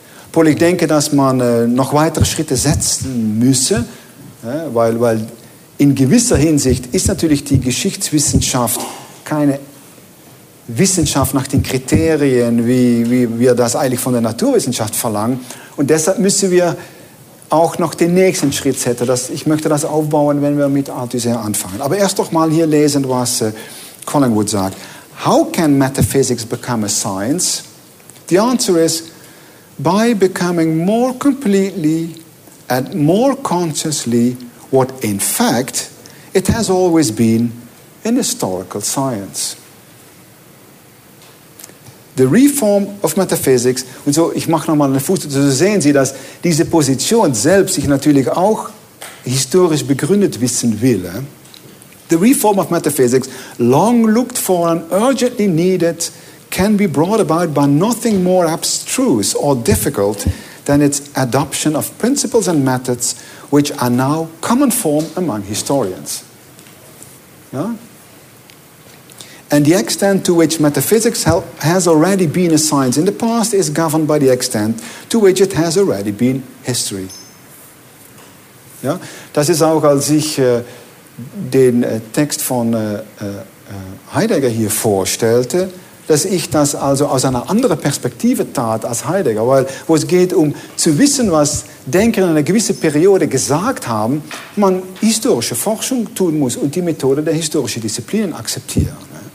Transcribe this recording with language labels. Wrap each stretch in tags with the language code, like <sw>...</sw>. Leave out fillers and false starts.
<de>Obwohl ich denke, dass man noch weitere Schritte setzen müsse, weil in gewisser Hinsicht ist natürlich die Geschichtswissenschaft keine Wissenschaft nach den Kriterien, wie wir das eigentlich von der Naturwissenschaft verlangen. Und deshalb müssen wir auch noch den nächsten Schritt setzen. Ich möchte das aufbauen, wenn wir mit Althusser anfangen. Aber erst doch mal hier lesen, was Collingwood sagt.</de> <en>How can metaphysics become a science? The answer is, by becoming more completely and more consciously what in fact it has always been in historical science. The reform of metaphysics,</en> <de>und so, ich mache nochmal eine Fußnote, so sehen Sie, dass diese Position selbst sich natürlich auch historisch begründet wissen will.</de> <en>The reform of metaphysics, long looked for and urgently needed, can be brought about by nothing more abstruse or difficult than its adoption of principles and methods which are now common form among historians. Yeah? And the extent to which metaphysics has already been a science in the past is governed by the extent to which it has already been history. Yeah?</en> <de>Das ist auch, als ich den Text von Heidegger hier vorstellte, dass ich das also aus einer anderen Perspektive tat als Heidegger, weil wo es geht um zu wissen, was Denker in einer gewissen Periode gesagt haben, man historische Forschung tun muss und die Methode der historischen Disziplinen akzeptieren.</de>